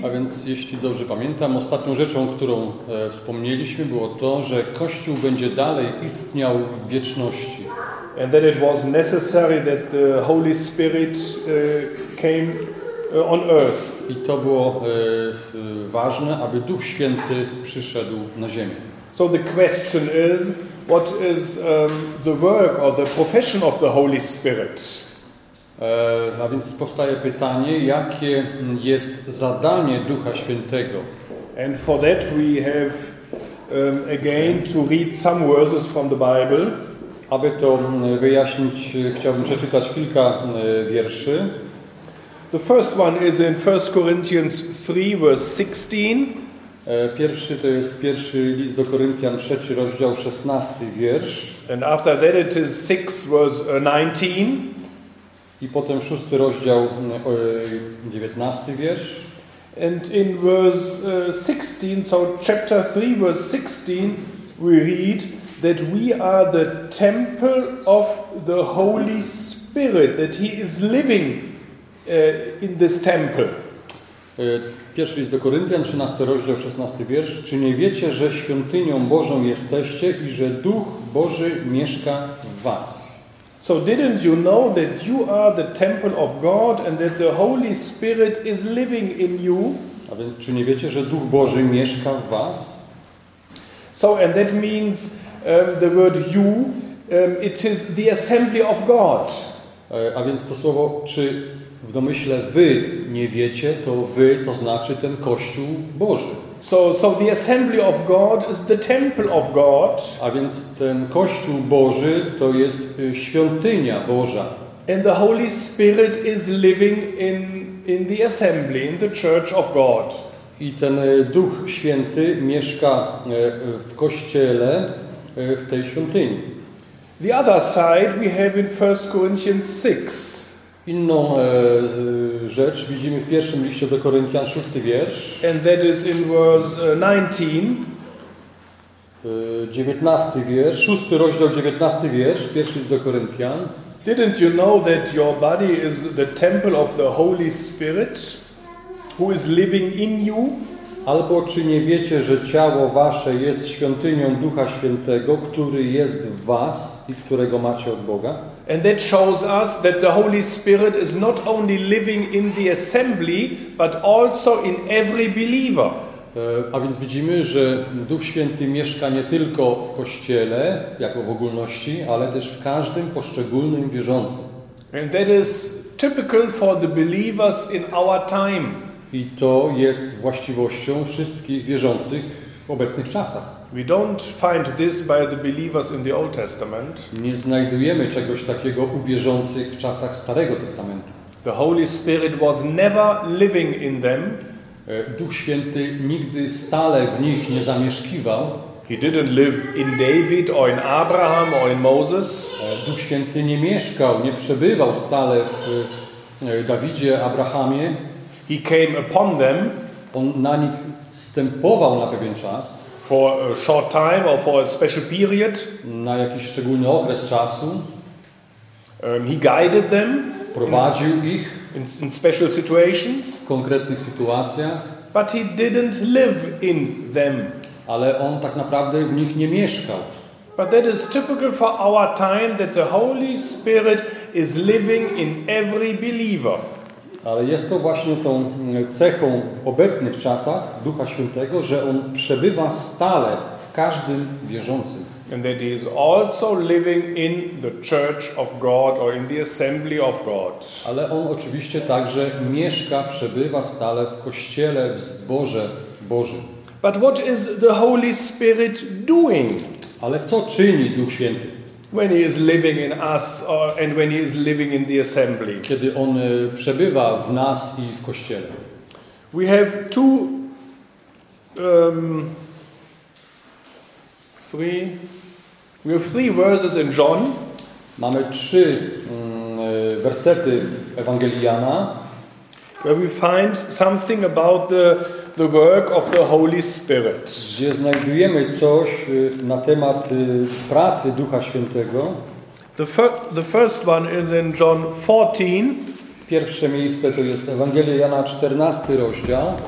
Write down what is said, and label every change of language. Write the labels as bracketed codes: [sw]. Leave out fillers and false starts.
[pl] A więc jeśli dobrze pamiętam, ostatnią rzeczą, którą wspomnieliśmy, było to, że Kościół będzie dalej istniał w wieczności. [en] And that it was necessary that the Holy Spirit came on earth. [pl] I to było ważne, aby Duch Święty przyszedł na ziemię. [en] So the question is, what is the work or the profession of the Holy Spirit? [pl] A więc powstaje pytanie, jakie jest zadanie Ducha Świętego? [en] And for that we have again to read some verses from the Bible. [pl] Aby to wyjaśnić, chciałbym przeczytać kilka wierszy. [en] The first one is in 1 Corinthians 3, verse 16. [pl] Pierwszy to jest pierwszy list do Koryntian, trzeci rozdział, 16 wiersz. [en] And after that it is 6, verse 19. [pl] I potem szósty rozdział, 19 wiersz. [en] And in verse 16, so chapter 3, verse 16, we read that we are the temple of the Holy Spirit, that he is living in this temple. [pl] Pierwszy list do Koryntian, 13 rozdział, 16 wiersz. Czy nie wiecie, że świątynią Bożą jesteście i że Duch Boży mieszka w was? [en] So didn't you know that you are the temple of God and that the Holy Spirit is living in you? [pl] A więc czy nie wiecie, że Duch Boży mieszka w was? [en] So and that means the word you, it is the assembly of God. [pl] A więc to słowo czy w domyśle wy nie wiecie, to wy to znaczy ten Kościół Boży. [en] So the assembly of God is the temple of God. [pl] A więc ten Kościół Boży to jest świątynia Boża. [en] And the Holy Spirit is living in the assembly, in the church of God. [pl] I ten Duch Święty mieszka w kościele, w tej świątyni. [en] The other side we have in 1 Corinthians 6. [pl] Inną rzecz widzimy w pierwszym liście do Koryntian, 6 wiersz. [en] And that is in verse 19. [pl] 19 wiersz, 6 rozdział, 19 wiersz, pierwszy list do Koryntian. [en] Didn't you know that your body is the temple of the Holy Spirit who is living in you? [pl] Albo czy nie wiecie, że ciało wasze jest świątynią Ducha Świętego, który jest w was i którego macie od Boga? [en] And that shows us that the Holy Spirit is not only living in the assembly, but also in every believer. [pl] A więc widzimy, że Duch Święty mieszka nie tylko w kościele, jako w ogólności, ale też w każdym poszczególnym wierzącym. [en] And that is typical for the believers in our time. [pl] I to jest właściwością wszystkich wierzących w obecnych czasach. [en] We don't find this by the believers in the Old Testament. [pl] Nie znajdujemy czegoś takiego u wierzących w czasach Starego Testamentu. [en] The Holy Spirit was never living in them. [pl] Duch Święty nigdy stale w nich nie zamieszkiwał. [en] He didn't live in David or in Abraham or in Moses. [pl] Duch Święty nie mieszkał, nie przebywał stale w Dawidzie, Abrahamie. [en] He came upon them. [pl] On na nich zstępował na pewien czas. [en] For a short time or for a special period. [pl] Na jakiś szczególny okres czasu. [en] He guided them. [pl] Prowadził ich. [en] In special situations. [pl] W konkretnych sytuacjach. [en] But he didn't live in them. [pl] Ale on tak naprawdę w nich nie mieszkał. [en] But that is typical for our time that the Holy Spirit is living in every believer. [pl] Ale jest to właśnie tą cechą w obecnych czasach Ducha Świętego, że on przebywa stale w każdym wierzącym. [en] And that he is also living in the church of God or in the assembly of God. [pl] Ale on oczywiście także mieszka, przebywa stale w kościele, w zborze Bożym. [en] But what is the Holy Spirit doing? [pl] Ale co czyni Duch Święty? [en] When he is living in us and when he is living in the assembly. [pl] Kiedy on przebywa w nas i w kościele. [en] We have two three We have three verses in John. [pl] Mamy trzy wersety Ewangelii Jana. [en] Where we find something about the work of the Holy Spirit. [pl] Gdzie znajdujemy coś na temat pracy Ducha Świętego. [en] The first one is in John 14. [pl] Pierwsze miejsce to jest Ewangelia Jana 14 rozdział.